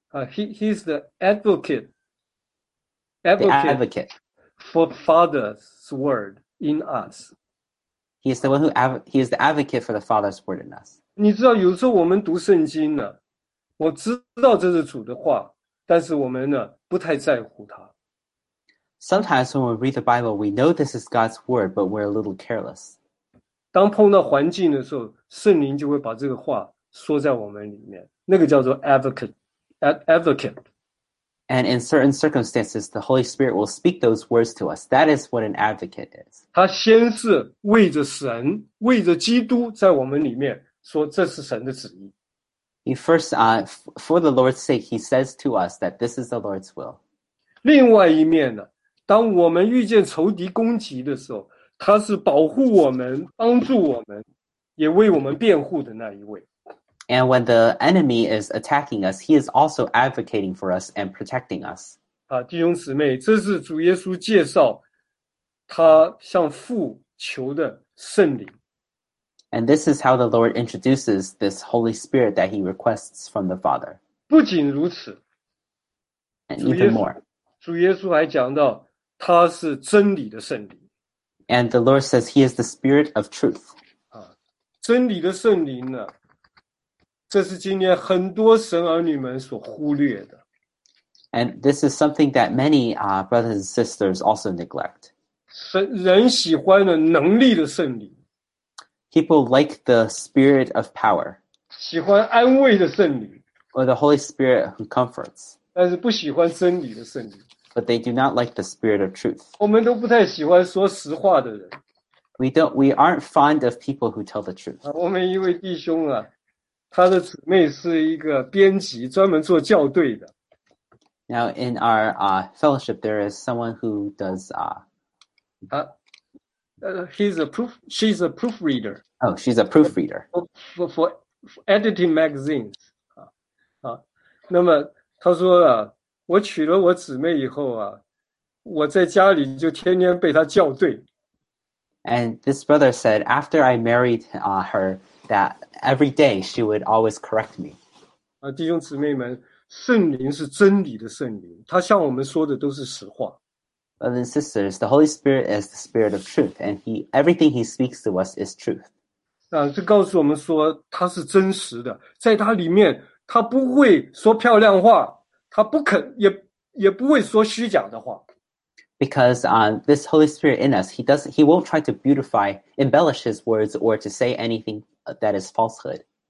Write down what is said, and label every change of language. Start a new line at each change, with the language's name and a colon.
English: He's the advocate for Father's word. In us, he is the advocate for the Father's word in us.
Chinese: 你知道，有时候我们读圣经呢，我知道这是主的话，但是我们呢不太在乎它。
English: Sometimes when we read the Bible, we know this is God's word, but we're a little careless.
Chinese: 当碰到环境的时候，圣灵就会把这个话说在我们里面，那个叫做 advocate.
English: And in certain circumstances, the Holy Spirit will speak those words to us. That is what an advocate is.
Chinese: 他先是为着神，为着基督在我们里面说这是神的旨意。
English: He first, for the Lord's sake, he says to us that this is the Lord's will.
Chinese: 另外一面呢，当我们遇见仇敌攻击的时候，他是保护我们，帮助我们，也为我们辩护的那一位。
English: And when the enemy is attacking us, he is also advocating for us and protecting us.
Chinese: 啊，弟兄姊妹，这是主耶稣介绍他向父求的圣灵。
English: And this is how the Lord introduces this Holy Spirit that he requests from the Father.
Chinese: 不仅如此
English: ，and even more.
Chinese: 主耶稣还讲到他是真理的圣灵。
English: And the Lord says he is the Spirit of truth.
Chinese: 啊，真理的圣灵呢？这是今天很多神儿女们所忽略的。
English: And this is something that many brothers and sisters also neglect.
Chinese: 人喜欢的能力的圣灵。
English: People like the spirit of power.
Chinese: 喜欢安慰的圣灵。
English: Or the Holy Spirit who comforts.
Chinese: 但是不喜欢真理的圣灵。
English: But they do not like the spirit of truth.
Chinese: 我们都不太喜欢说实话的人。
English: We aren't fond of people who tell the truth.
Chinese: 我们一位弟兄啊。他的姊妹是一个编辑，专门做校对的。
English: Now in our fellowship, there is someone who does she's a proofreader. Oh, she's a proofreader for editing magazines.
Chinese: 那么他说啊，我娶了我姊妹以后啊，我在家里就天天被她校对。
English: And this brother said, after I married her. That every day she would always correct me.
Chinese: 弟兄姊妹们，圣灵是真理的圣灵，他向我们说的都是实话。
English: Brothers and sisters, the Holy Spirit is the Spirit of truth, and everything he speaks to us is truth.
Chinese: 这告诉我们说他是真实的，在他里面他不会说漂亮话，他不肯也不会说虚假的话。
English: Because this Holy Spirit in us, he won't try to beautify, embellish his words, or to say anything that is falsehood.